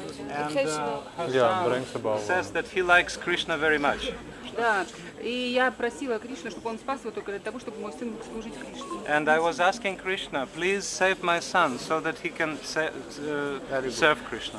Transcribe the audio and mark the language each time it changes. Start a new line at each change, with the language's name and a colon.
English: And her son says that he likes Krishna very much.
Russian: Да, и я просила Кришну, чтобы он спас его только для того, чтобы мой сын мог служить Кришне.
English: And I was asking Krishna, please save my son, so that he can serve Krishna.